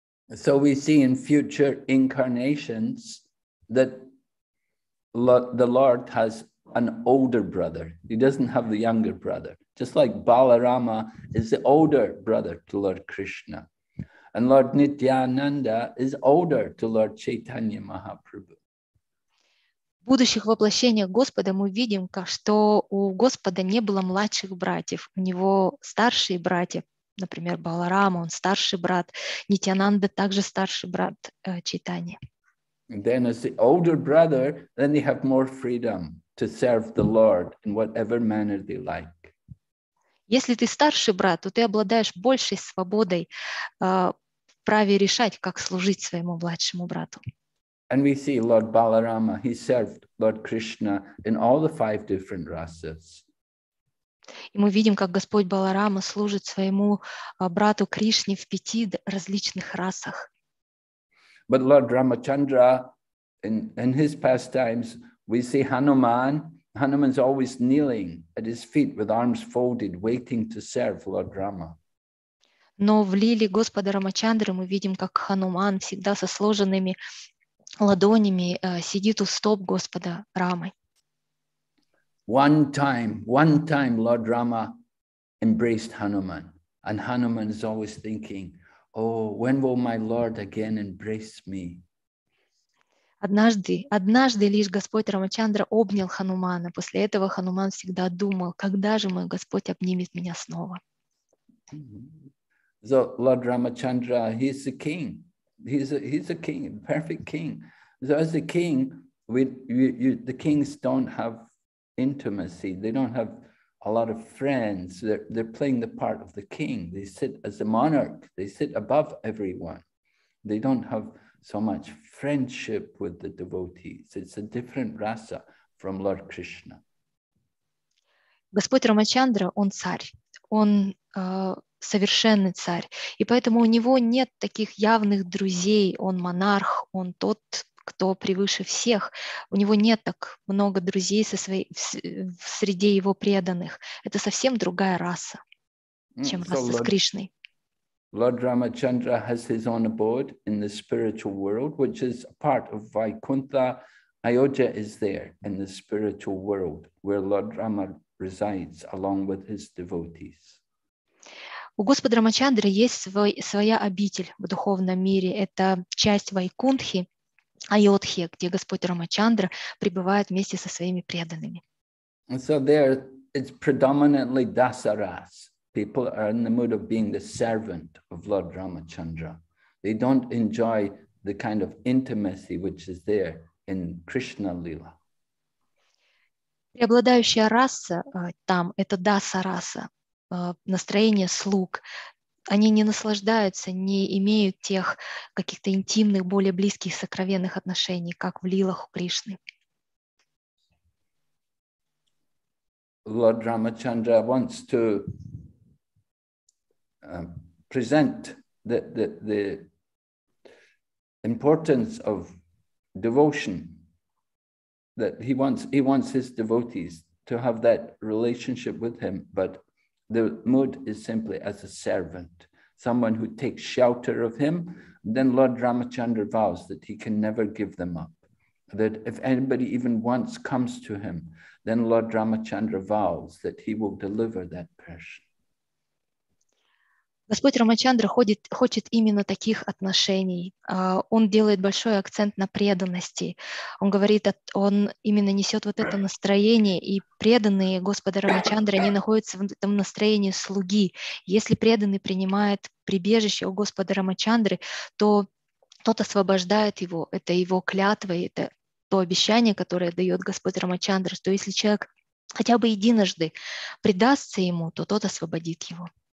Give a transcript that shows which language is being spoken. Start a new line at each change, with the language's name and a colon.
English: So we see in future incarnations that the Lord has an older brother. He doesn't have the younger brother. Just like Balarama is the older brother to Lord Krishna. And Lord Nityananda is older to Lord Chaitanya Mahaprabhu.
Russian: В будущих воплощениях Господа мы видим, что у Господа не было младших братьев. У него старшие братья. Например, Баларама, он старший брат. Нитьянанда также старший брат Чайтани.
English: Then as the older brother, then they have more freedom to serve the Lord in whatever manner they like.
Russian: Если ты старший брат, то ты обладаешь большей свободой в праве решать, как служить своему младшему брату.
English: And we see Lord Balarama, he served Lord Krishna in all the five different rasas.
Russian: И мы видим, как Господь Баларама служит своему брату Кришне в пяти различных расах.
English: But Lord Ramachandra, in his pastimes, we see Hanuman. Hanuman's always kneeling at his feet with arms folded, waiting to serve Lord Rama.
Russian: Но в лиле Господа Рамачандры мы видим, как Хануман всегда со сложенными ладонями сидит у стоп Господа Рамы.
English: One time Lord Rama embraced Hanuman, and Hanuman is always thinking, oh, when will my Lord again embrace me?
Russian: Однажды лишь Господь Рамачандра обнял Ханумана. После этого Хануман всегда думал, когда же мой Господь обнимет меня снова?
English: So Lord Ramachandra, he's the king. He's a king, perfect king. So as a king, the kings don't have intimacy. They don't have a lot of friends. They're playing the part of the king. They sit as a monarch. They sit above everyone. They don't have so much friendship with the devotees. It's a different rasa from Lord Krishna.
Russian: Господь Рамачандра, он царь. Он совершенный царь. И поэтому у него нет таких явных друзей. Он монарх, он тот, кто превыше всех. У него нет так много друзей среди его преданных. Это совсем другая раса, чем раса с Кришной.
English: Lord Ramachandra has his own abode in the spiritual world, which is part of Vaikuntha. Ayodhya is there in the spiritual world, where Lord Rama resides along with his devotees.
Russian: У Господа Рамачандры есть своя обитель в духовном мире. Это часть Вайкунтхи, Айодхи, где Господь Рамачандра пребывает вместе со своими преданными.
English: And so there, it's predominantly dasaras. People are in the mood of being the servant of Lord Ramachandra. They don't enjoy the kind of intimacy which is there in Krishna Lila.
Russian: Преобладающая раса там – это даса-раса, настроение слуг. Они не наслаждаются, не имеют тех каких-то интимных, более близких, сокровенных отношений, как в лилах у Кришны.
English: Lord Ramachandra wants to present the importance of devotion, that he wants his devotees to have that relationship with him, but the mood is simply as a servant, someone who takes shelter of him. Then Lord Ramachandra vows that he can never give them up, that if anybody even once comes to him, then Lord Ramachandra vows that he will deliver that person.
Russian: Господь Рамачандра хочет именно таких отношений. Он делает большой акцент на преданности. Он говорит, он именно несет вот это настроение, и преданные Господа Рамачандры, они находятся в этом настроении слуги. Если преданный принимает прибежище у Господа Рамачандры, то тот освобождает его, это его клятва, это то обещание, которое дает Господь Рамачандра, что если человек хотя бы единожды предастся ему, то тот освободит его.